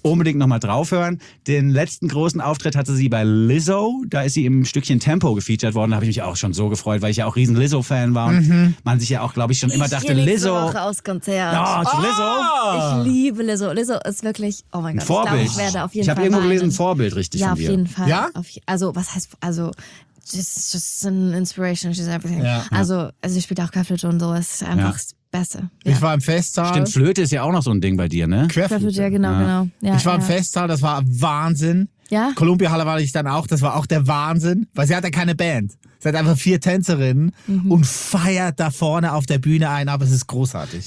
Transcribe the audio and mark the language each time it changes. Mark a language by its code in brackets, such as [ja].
[de] Unbedingt nochmal draufhören. Den letzten großen Auftritt hatte sie bei Lizzo, da ist sie im Stückchen Tempo gefeatured worden, da habe ich mich auch schon so gefreut, weil ich ja auch riesen Lizzo-Fan war und man sich ja auch, glaube ich, schon immer dachte, Lizzo. Ich liebe aus Konzert. Lizzo. Ich liebe Lizzo. Lizzo ist wirklich, oh mein Gott. Vorbild. Ich werde auf jeden Fall. Ich habe irgendwo gelesen, Vorbild, richtig. Ja, von auf jeden Fall. Ja? [en] Also, she's just an inspiration, she's everything. [de] Ja. Also, sie spielt auch Querflöte und so, ist einfach Bässe. Ja. Ich war im Festsaal. Stimmt, Flöte ist ja auch noch so ein Ding bei dir, ne? Querflöte, ja, genau, ja. Genau. Ja, ich war ja im Festsaal, das war Wahnsinn. Ja? Columbia-Halle war ich dann auch, das war auch der Wahnsinn, weil sie hatte keine Band. Sie hat einfach vier Tänzerinnen und feiert da vorne auf der Bühne ein, aber es ist großartig.